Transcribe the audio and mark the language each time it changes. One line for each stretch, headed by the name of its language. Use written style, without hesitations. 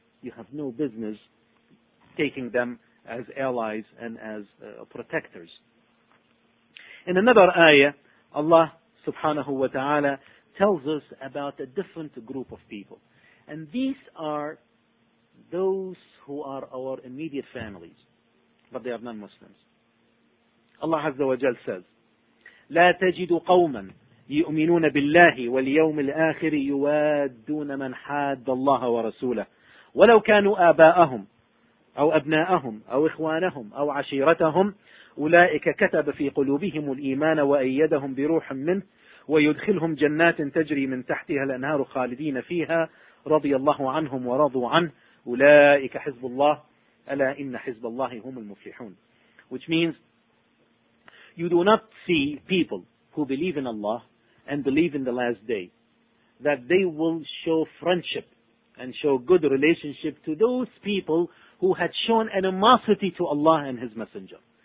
English: You have no business taking them as allies and as protectors. In another ayah, Allah subhanahu wa ta'ala tells us about a different group of people. And these are those who are our immediate families, but they are non-Muslims.
Arabic: Allah Azza wa Jal
English: says,
Arabic: لا تجد قوما يؤمنون بالله واليوم الآخر يوادون من حاد الله ورسوله ولو كانوا آباءهم أو أبناءهم أو إخوانهم أو عشيرتهم أولئك كتب في قلوبهم الإيمان وأيدهم بروح منه ويدخلهم جنات تجري من تحتها الأنهار خالدين فيها رضي الله عنهم ورضوا عنه أولئك حزب الله ألا إن حزب الله هم المفلحون.
English: Which means, you do not see people who believe in Allah and believe in the last day that they will show friendship and show good relationship to those people who had shown animosity to Allah and His Messenger.